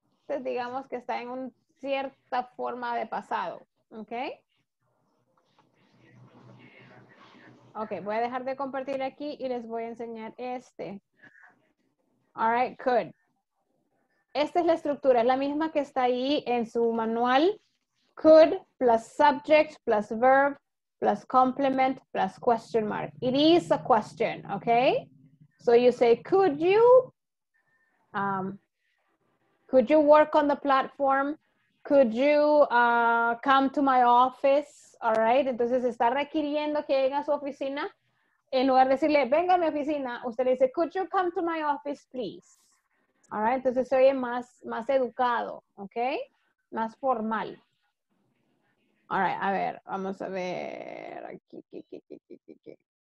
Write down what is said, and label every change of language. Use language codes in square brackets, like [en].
[es] Entonces digamos que está en un... cierta forma de pasado. Ok. Ok, voy a dejar de compartir aquí y les voy a enseñar este. [en] All right, good. [es] Esta es la estructura, es la misma que está ahí en su manual. [en] Could plus subject plus verb plus complement plus question mark. It is a question, ok. So you say, could you? Could you work on the platform? Could you come to my office, all right? [es] Entonces, está requiriendo que llegue a su oficina. En lugar de decirle, venga a mi oficina, usted le dice, [en] could you come to my office, please? All right, [es] entonces se oye más, más educado, ¿ok? Más formal. All right, a ver, vamos a ver aquí, aquí, aquí, aquí, aquí, aquí.